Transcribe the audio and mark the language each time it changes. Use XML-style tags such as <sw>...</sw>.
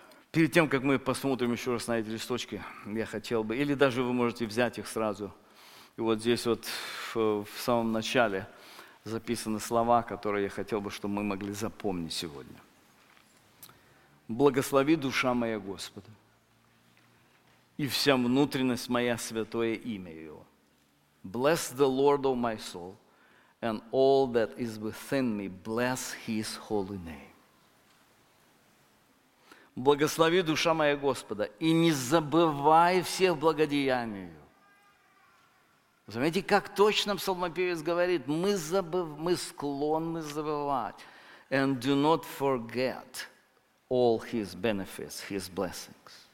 <ru>Перед тем, как мы посмотрим еще раз на эти листочки, я хотел бы, или даже вы можете взять их сразу, и вот здесь вот в самом начале записаны слова, которые я хотел бы, чтобы мы могли запомнить сегодня. «Благослови, душа моя, Господа, и вся внутренность моя, святое имя Его.</ru> <en>Bless the Lord, O my soul, and all that is within me, bless His holy name».</en> <ru>«Благослови, душа моя, Господа, и не забывай всех благодеяний Его». Заметьте, как точно псалмопевец говорит, мы склонны забывать.</ru> <en>«And do not forget all His benefits, His blessings».</en>